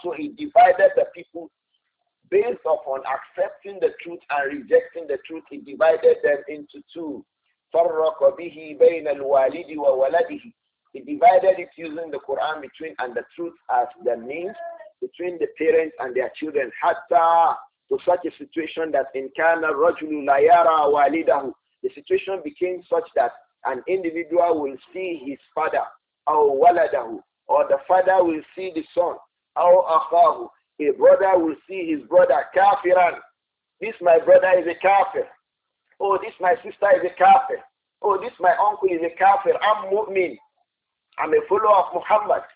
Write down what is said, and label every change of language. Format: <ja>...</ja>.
<en>So he divided the people based upon accepting the truth and rejecting the truth. He divided them into two.</en> <ar>فَرَّقَ بِهِ بَيْنَ الْوَالِدِ وَوَلَدِهِ.</ar> <en>He divided it using the Quran between and the truth as the means between the parents and their children.</en> <ar>حَتَّى</ar> <en>to such a situation that</en> <ar>إِنْ كَانَ الرَّجُلُ لَا يَرَى وَالِدَهُ.</ar> <en>The situation became such that an individual will see his father,</en> <ar>أو ولده,</ar> <en>or the father will see the son,</en> <ar>أو أخاه,</ar> <en>a brother will see his brother,</en> <ar>كافران,</ar> <en>this my brother is a kafir, oh this my sister is a kafir, oh this my uncle is a kafir, I'm mu'min, I'm a follower of Muhammad.</en>